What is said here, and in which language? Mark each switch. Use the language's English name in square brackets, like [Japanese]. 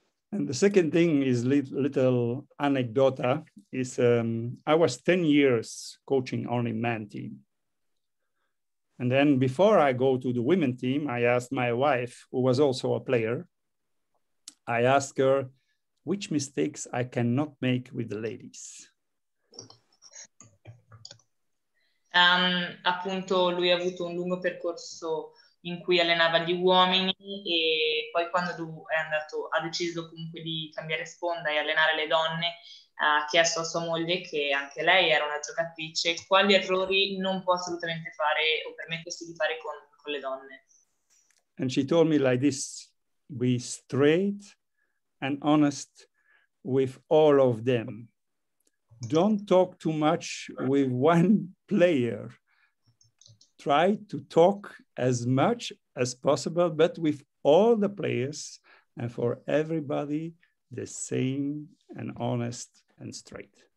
[English] And the second thing is little anecdota is I was 10 years coaching only men team. And then before I go to the women team, I asked my wife, who was also a player, I asked her which mistakes I cannot make with the ladies. [Italian] Appunto, lui ha avuto un lungo percorso in cui allenava gli uomini, e poi quando ha deciso comunque di cambiare sponda e allenare le donne, ha chiesto a sua moglie, che anche lei era una giocatrice, quali errori non può assolutamente fare o permettersi di fare con le donne. [English] And she told me like this, be straight and honest with all of them. Don't talk too much with one player. Try to talk as much as possible, but with all the players, and for everybody, the same and honest and straight.